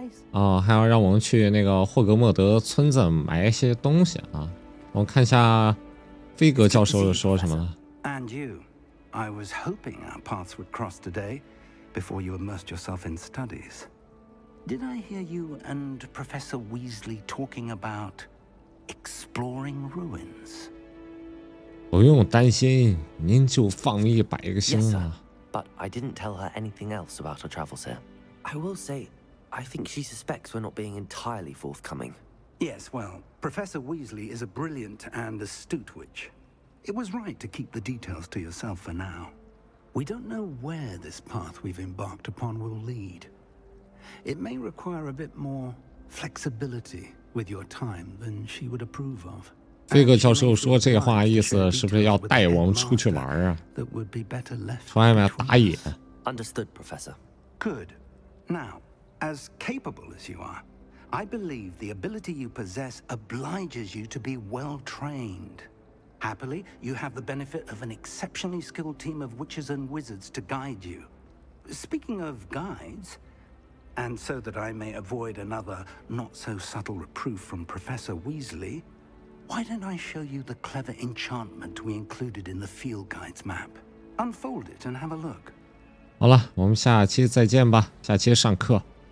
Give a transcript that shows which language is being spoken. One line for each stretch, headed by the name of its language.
Chinese: 啊，还要让我们去那个霍格莫德村子买一些东西啊。我看一下菲格教授说什么。
English: And you, I was hoping our paths would cross today before you immersed yourself in studies. Did I hear you and Professor Weasley talking about... Exploring ruins.
Chinese: 不用担心，您就放一百个心啊。
English: But I didn't tell her anything else about our travels here. I will say, I think she suspects we're not being entirely forthcoming. Yes, well, Professor Weasley is a brilliant and astute witch. It was right to keep the details to yourself for now. We don't know where this path we've embarked upon will lead. It may require a bit more flexibility. With your time, then she would approve of.
Chinese: 这个教授说这话意思是不是要带我们出去玩啊？
English: That would be better left.
Chinese: 出外面打野。
English: Understood, Professor. Good. Now, as capable as you are, I believe the ability you possess obliges you to be well trained. Happily, you have the benefit of an exceptionally skilled team of witches and wizards to guide you. Speaking of guides. And so that I may avoid another not-so-subtle reproof from Professor Weasley, why don't I show you the clever enchantment we included in the field guide's map? Unfold it and have a look.
Chinese: 好了，我们下期再见吧，下期上课。